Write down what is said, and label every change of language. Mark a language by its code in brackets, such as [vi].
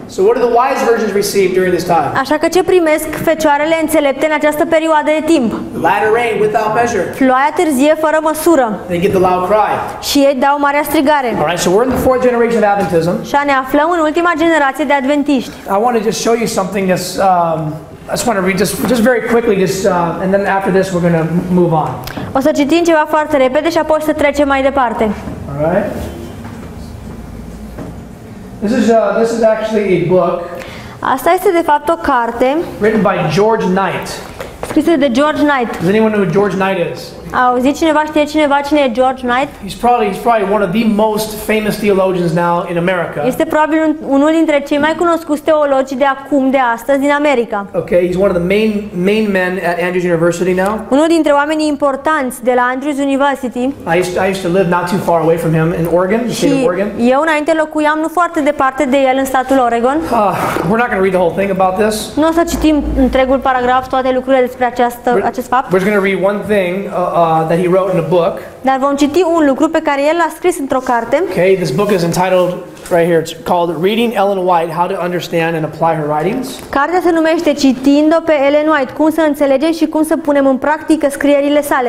[en] So what do the wise virgins receive during this time? [ro] Așa că ce primesc fecioarele înțelepte în această perioadă de timp? [en] Latter rain without measure. [ro] Ploaia târzie fără măsură. [en] They get the loud cry. [ro] Și ei dau marea strigare. [en] All right, so we're in the fourth generation of Adventism. [ro] Și ne aflăm în ultima generație de adventiști. [en] I want to just show you something that's I just want to read just very quickly and then after this we're going to move on. [ro] O să citim ceva foarte repede și apoi să trecem mai departe. [en] All right. This is actually a book. [ro] Asta este de fapt o carte. [en] Written by George Knight. [ro] Scrisă de George Knight. [en] Does anyone know who George Knight is? [ro] A auzit cineva, știe cineva cine e George Knight? [en] He's probably one of the most famous theologians now in America. [ro] Este probabil unul dintre cei mai cunoscuți teologi de acum, de astăzi, din America. [en] Okay, he's one of the main men at Andrews University now. [ro] Unul dintre oamenii importanți de la Andrews University. [en] I used to live not too far away from him in Oregon, the state of Oregon. [ro] Și eu înainte locuiam nu foarte departe de el în statul Oregon. [en] We're not going to read the whole thing about this. [ro] Nu o să citim întregul paragraf toate lucrurile despre acest fapt. [en] We're going to read one thing that he wrote in a book. [ro] Dar vom citi un lucru pe care el l-a scris într-o carte. [en] Okay, this book is entitled right here. It's called Reading Ellen White: How to Understand and Apply Her Writings. [ro] Cartea se numește Citind-o pe Ellen White: Cum să înțelegem și cum să punem în practică scrierile sale.